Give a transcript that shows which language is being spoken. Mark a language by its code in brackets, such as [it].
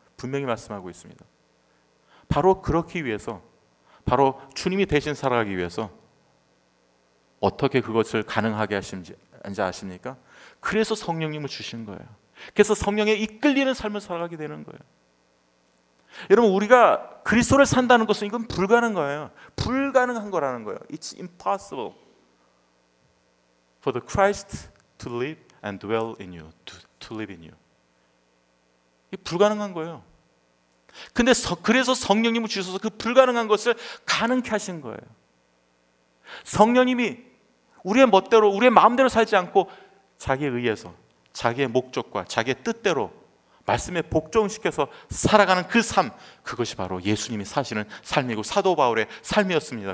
[ko] 분명히 말씀하고 있습니다. 바로 그렇기 위해서, 바로 주님이 대신 살아가기 위해서 어떻게 그것을 가능하게 하신지 아십니까? 그래서 성령님을 주신 거예요. 그래서 성령에 이끌리는 삶을 살아가게 되는 거예요. 여러분, 우리가 그리스도를 산다는 것은 이건 불가능한 거예요. 불가능한 거라는 거예요. [en] It's impossible for the Christ to live and dwell in you, to live in you. [ko] 이게 불가능한 거예요. 근데 그래서 성령님을 주셔서 그 불가능한 것을 가능케 하신 거예요. 성령님이 우리의 멋대로, 우리의 마음대로 살지 않고 자기에 의해서 자기의 목적과 자기의 뜻대로 말씀에 복종시켜서 살아가는 그 삶, 그것이 바로 예수님이 사시는 삶이고 사도 바울의 삶이었습니다.